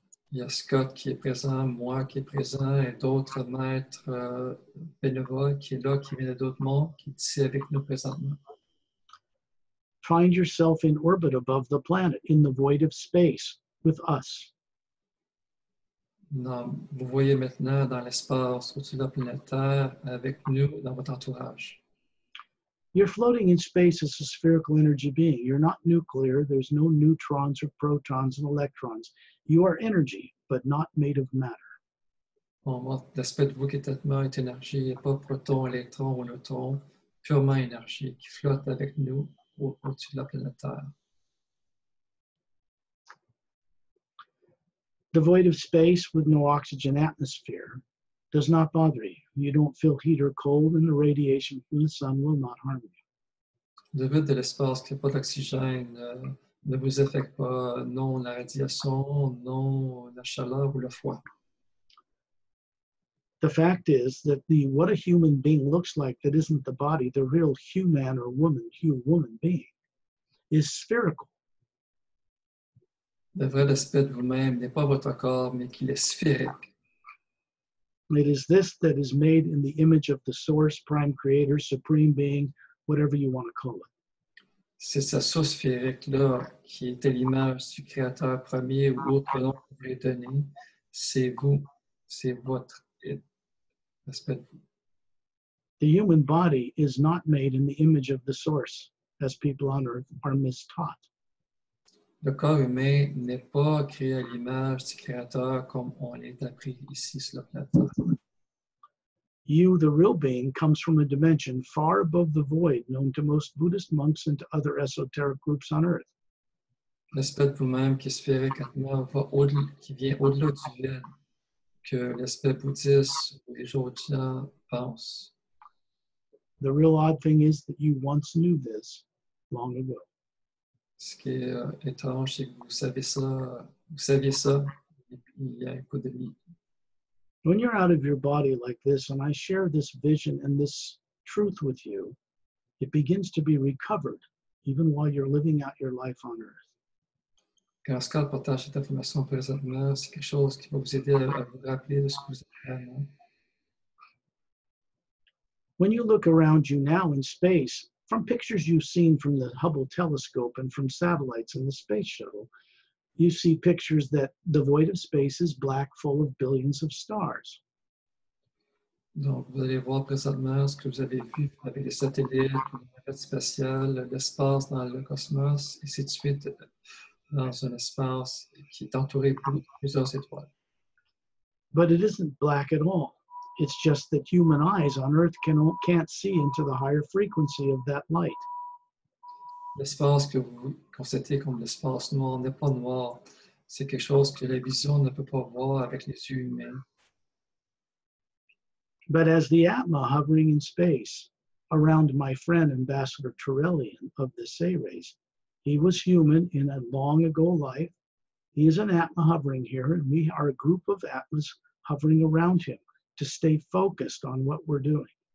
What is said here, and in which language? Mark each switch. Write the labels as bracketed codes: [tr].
[fr] Il y a Scott qui est présent, moi qui est présent, et d'autres maîtres bénévoles qui est là, qui viennent d'autres mondes, qui est ici avec nous présentement. [en] Find yourself in orbit above the planet, in the void of space, with us. [fr] Non, vous voyez maintenant dans l'espace au-dessus de la planète Terre, avec nous, dans votre entourage. [en] You're floating in space as a spherical energy being. You're not nuclear. There's no neutrons or protons and electrons. You are energy, but not made of matter. [fr] L'aspect de vous qui est Atma est énergie, et pas proton, électron ou neutron, purement énergie, qui flotte avec nous au-dessus de la planète Terre. [en] The void of space with no oxygen atmosphere does not bother you. You don't feel heat or cold, and the radiation from the sun will not harm you. [fr] Le vide de l'espace qui n'a pas d'oxygène ne vous affecte pas, non la radiation, non la chaleur ou le froid. [en] The fact is that the what a human being looks like that isn't the body, the real human or woman, human being, is spherical. [fr] Le vrai aspect de vous-même n'est pas votre corps, mais qu'il est sphérique. [en] It is this that is made in the image of the source, prime creator, supreme being, whatever you want to call it. [fr] C'est sa source sphérique-là qui est à l'image du créateur premier ou autre nom que vous voulez donner. C'est vous, c'est votre aspect. [en] The human body is not made in the image of the source, as people on earth are mistaught. [fr] Le corps humain n'est pas créé à l'image du Créateur comme on l'est appris ici sur la planète. [en] You, the real being, comes from a dimension far above the void known to most Buddhist monks and to other esoteric groups on earth. [fr] L'aspect de vous-même qui est sphérique Atma va au-delà, qui vient au-delà du vide que l'aspect bouddhiste ou les autres gens pensent. [en] The real odd thing is that you once knew this long ago. [fr] Ce qui est étrange, c'est que vous savez ça il y a un coup de vie. [en] When you're out of your body like this and I share this vision and this truth with you, it begins to be recovered even while you're living out your life on earth. [fr] Quand Scott partage cette information présentement, c'est quelque chose qui va vous aider à vous rappeler de ce que vous êtes vraiment. [en] When you look around you now in space, from pictures you've seen from the Hubble telescope and from satellites in the space shuttle, you see pictures that the void of space is black, full of billions of stars. [fr] Donc, vous allez voir présentement ce que vous avez vu avec les satellites, les navettes spatiales, l'espace dans le cosmos, et ainsi de suite, dans un espace qui est entouré de plusieurs étoiles. [en] But it isn't black at all. It's just that human eyes on Earth can't see into the higher frequency of that light. [fr] L'espace que vous constatez comme l'espace noir n'est pas noir. C'est quelque chose que la vision ne peut pas voir avec les yeux humains. [en] But as the Atma hovering in space around my friend Ambassador Torellian of the Say race, he was human in a long ago life. He is an Atma hovering here, and we are a group of Atmas hovering around him to stay focused on what we're doing.